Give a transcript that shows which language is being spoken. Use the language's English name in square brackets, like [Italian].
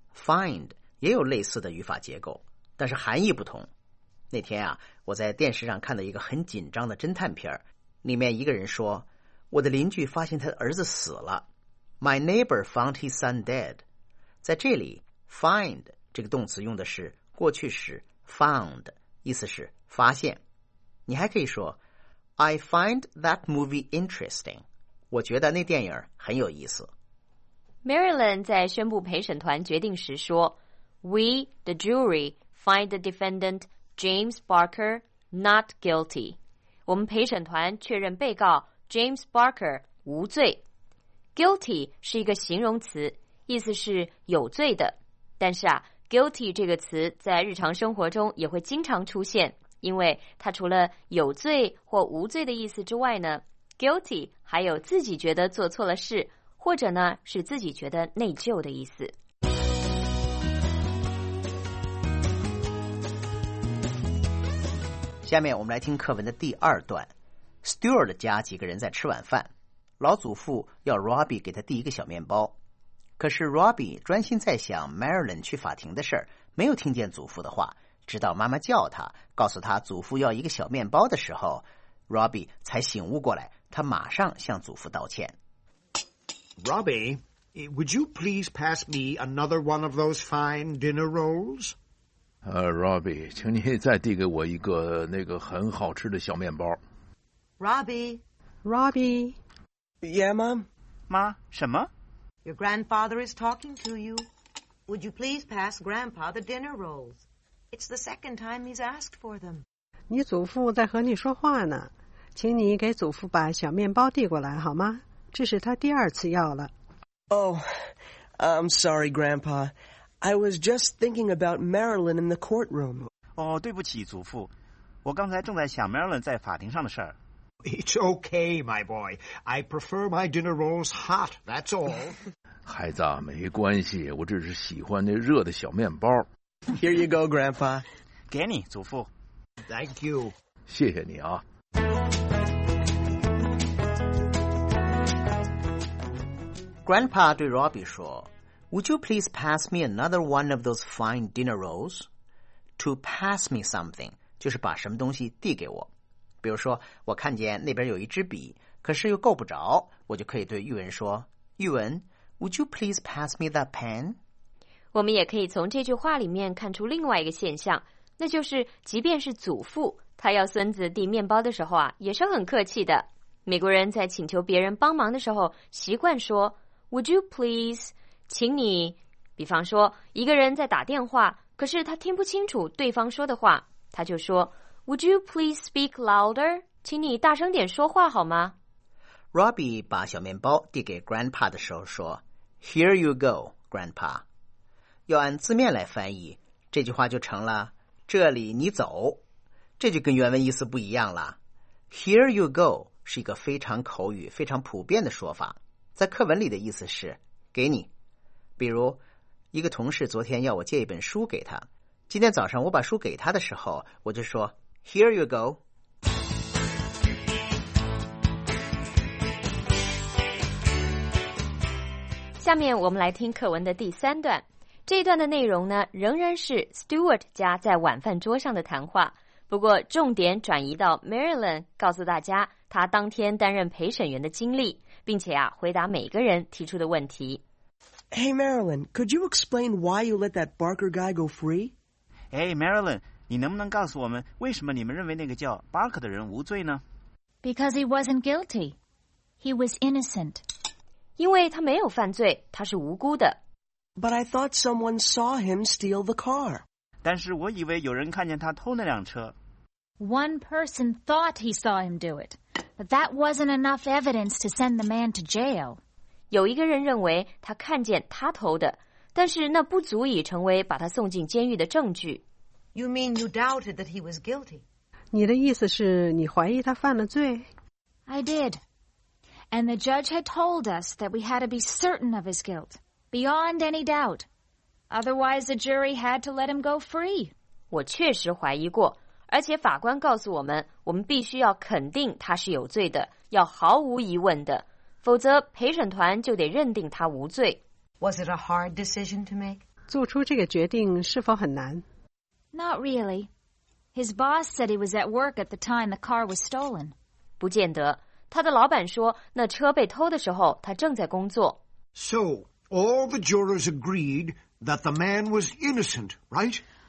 [Chinese] ，find 也有类似的语法结构，但是含义不同。那天啊，我在电视上看到一个很紧张的侦探片，里面一个人说：“我的邻居发现他的儿子死了。” [English] My neighbor found his son dead。 [Chinese] 在这里 ，find 这个动词用的是过去式 found， 意思是发现。你还可以说 [English] I find that movie interesting. [Chinese] 我觉得那电影很有意思。Marilyn在宣布陪审团决定时说 [English] We, the jury, find the defendant James Barker not guilty. [Chinese] 我们陪审团确认被告 James Barker 无罪。Guilty是一个形容词，意思是有罪的。但是啊 ，guilty这个词在日常生活中也会经常出现。因为它除了有罪或无罪的意思之外呢 ，guilty 还有自己觉得做错了事，或者呢是自己觉得内疚的意思。下面我们来听课文的第二段。Stewart 家几个人在吃晚饭，老祖父要 Robbie 给他递一个小面包，可是 Robbie 专心在想 Marilyn 去法庭的事儿，没有听见祖父的话。直到妈妈叫他，告诉他祖父要一个小面包的时候 ，Robbie 才醒悟过来。他马上向祖父道歉。Robbie, [English] would you please pass me another one of those fine dinner rolls? [Chinese] Robbie, 请你再递给我一个那个很好吃的小面包。 [English] Robbie, Yeah, Mom. [Chinese] 妈，什么？ [English] Your grandfather is talking to you. Would you please pass Grandpa the dinner rolls? It's the second time he's asked for them. [Chinese] 你祖父在和你说话呢，请你给祖父把小面包递过来好吗？这是他第二次要了。 [English] Oh, I'm sorry, Grandpa. I was just thinking about Marilyn in the courtroom. [Chinese] 哦，对不起，祖父，我刚才正在想 Marilyn 在法庭上的事儿。 [English] It's okay, my boy. I prefer my dinner rolls hot, that's all. [Chinese] 孩子，没关系，我只是喜欢那热的小面包。 [English] Here you go, Grandpa. [Chinese] 给你，祖父。 [English] Thank you. [Chinese] 谢谢你啊。 [English] Grandpa [Chinese] 对 Robbie 说 [English] ,Would you please pass me another one of those fine dinner rolls? To pass me something, [Chinese] 就是把什么东西递给我。比如说我看见那边有一支笔可是又够不着我就可以对玉文说玉文 , [English] Would you please pass me that pen? [Chinese] 我们也可以从这句话里面看出另外一个现象那就是即便是祖父他要孙子递面包的时候啊也是很客气的。美国人在请求别人帮忙的时候习惯说 , [English] Would you please, [Chinese] 请你比方说一个人在打电话可是他听不清楚对方说的话他就说 [English] Would you please speak louder? [Chinese] 请你大声点说话好吗 ?Robbie 把小面包递给 Grandpa 的时候说 , [English] Here you go, Grandpa. [Chinese] 要按字面来翻译这句话就成了这里你走。这就跟原文意思不一样了。 [English] Here you go [Chinese] 是一个非常口语非常普遍的说法。在课文里的意思是给你。比如一个同事昨天要我借一本书给他。今天早上我把书给他的时候我就说 [English] Here you go. [Chinese] 下面我们来听课文的第三段。这一段的内容呢，仍然是 Stewart 家在晚饭桌上的谈话，不过重点转移到 Marilyn 告诉大家他当天担任陪审员的经历，并且啊，回答每个人提出的问题。 [English] Hey Marilyn, could you explain why you let that Barker guy go free? Hey Marilyn. [Chinese] 你能不能告诉我们为什么你们认为那个叫 Barker 的人无罪呢 [English] ?Because he wasn't guilty. He was innocent. [Chinese] 因为他没有犯罪他是无辜的。 [English] But I thought someone saw him steal the car. [Chinese] 但是我以为有人看见他偷那辆车。 [English] One person thought he saw him do it. But that wasn't enough evidence to send the man to jail. [Chinese] 有一个人认为他看见他偷的但是那不足以成为把他送进监狱的证据。 [English] You mean you doubted that he was guilty? [Chinese] 你的意思是你怀疑他犯了罪? [English] I did. And the judge had told us that we had to be certain of his guilt, beyond any doubt. Otherwise, the jury had to let him go free. [Chinese] 我确实怀疑过,而且法官告诉我们,我们必须要肯定他是有罪的,要毫无疑问的,否则陪审团就得认定他无罪。 [English] Was it a hard decision to make? [Chinese] 做出这个决定是否很难? [English] Not really. His boss said he was at work at the time the car was stolen. [Chinese] 不见得。他的老板说那车被偷的时候他正在工作。 [English] So, all the jurors agreed that the man was innocent, right?